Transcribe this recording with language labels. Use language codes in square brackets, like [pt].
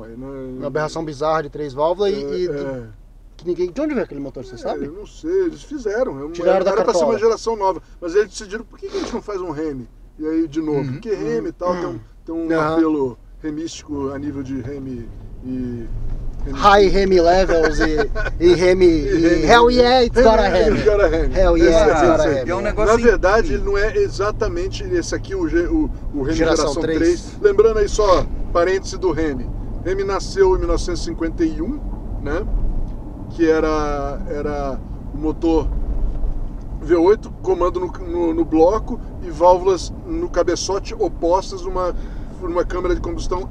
[pt] Uma aberração bizarra de três válvulas que ninguém. De onde veio aquele motor, você sabe? Eu não sei, eles fizeram. Tiraram era da cartola. Pra ser uma geração nova. Mas eles decidiram, por que a gente não faz um Remy? E aí, de novo, porque Remy e tal tem um apelo remístico a nível de Remy e... [en] High Remy levels e Remy hell yeah, it's got a Remy. Hell yeah, it's got a Remy. [pt] É um negócio. Na verdade, ele não é exatamente esse aqui, o Remy geração 3. 3. Lembrando aí só, parêntese do Remy. Remy nasceu em 1951, né? Que era o motor V8, comando no bloco e válvulas no cabeçote opostas, uma câmara de combustão